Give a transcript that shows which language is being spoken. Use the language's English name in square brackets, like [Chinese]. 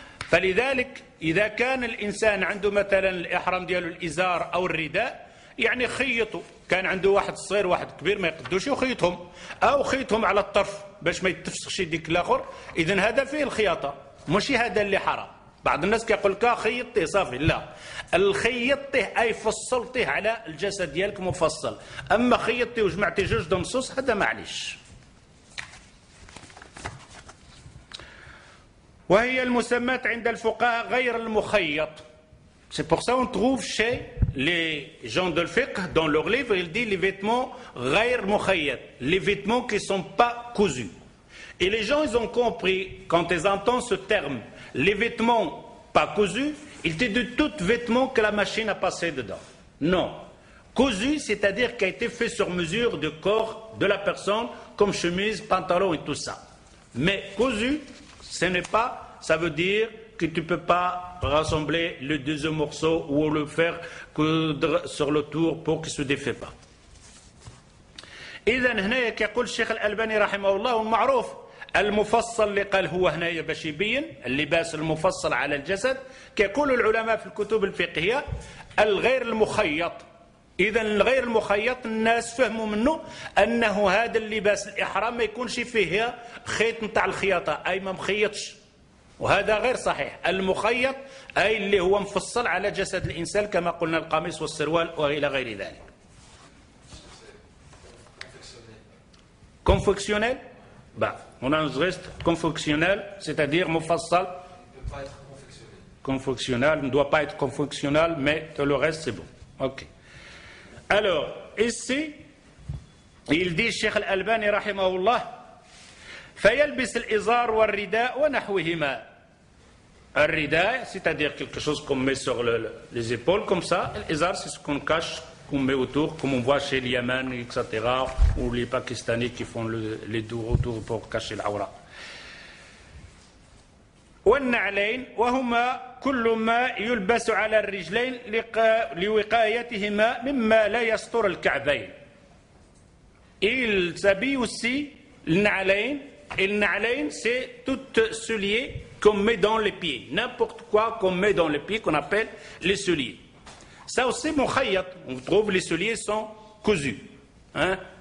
[Arabic] فلذلك إذا كان الإنسان عنده مثلا الإحرام دياله الإزار أو الرداء يعني خيطه كان عنده واحد صغير واحد كبير ما يقدوش وخيطهم أو خيطهم على الطرف باش ما يتفسخش ديك الآخر إذن هذا فيه الخياطة مش هذا اللي حرام بعض الناس كيقول كا خيطته صافي لا الخيطته أي فصلته على الجسد ديالك مفصل أما خيطته وجمعته جوج دمصوص هذا معليش وهي المسمات عند الفقهاء غير المخيط. [French] C'est pour ça qu'on trouve chez les gens de l'fiqh, dans leur livre, il dit les vêtements [Arabic] غير مخيط, [French] les vêtements qui ne sont pas cousus. Et les gens, ils ont compris, quand ils entendent ce terme, les vêtements pas cousus, il dit de tout vêtement que la machine a passé dedans. Non. Cousu, c'est-à-dire qui a été fait sur mesure du corps de la personne, comme chemise, pantalon et tout ça. Mais cousu, ce n'est pas, ça veut dire que tu ne peux pas rassembler le deuxième morceau ou le faire coudre sur le tour pour qu'il ne se défait pas. [Arabic] إذن هنا يقول الشيخ الألباني رحمه الله المعروف المفصل اللي قال هو هنا باش يبين اللباس المفصل على الجسد كيقول العلماء في الكتب الفقهية الغير المخيط إذن الغير المخيط الناس فهموا منه أنه هذا اللباس الإحرام ما يكونش فيه خيط نتاع الخياطة أي ما مخيطش وهذا غير صحيح المخيط أي اللي هو مفصل على جسد الإنسان كما قلنا القميص والسروال وإلى غير ذلك كونفكسيونيل بعد هنا نزغيست كونفكسيونيل [French] c'est-à-dire [Arabic] مفصل كونفكسيونيل [French] ne doit pas être [Arabic] كونفكسيونيل [French] mais tout le reste c'est bon ok. Alors, ici, il dit Cheikh Al-Albani, rahimahullah, [Arabic] فيلبس الإزار والرداء ونحوهما. [French] الرداء, c'est-à-dire quelque chose qu'on met sur les épaules, comme ça. L'Izar, c'est ce qu'on cache qu'on met autour, comme on voit chez le Yémen, etc., ou les Pakistanais qui font les deux retours pour cacher l'aura. [Arabic] والنعلين وهما كل ما يلبس على الرجلين لوقايتهما مما لا يستر الكعبين. [French] Il s'habille aussi النعلين. النعلين c'est tout soulier qu'on met dans les pieds. N'importe quoi qu'on met dans les pieds qu'on appelle les souliers. Ça aussi مخيط. On trouve les souliers sont cousus. Hein?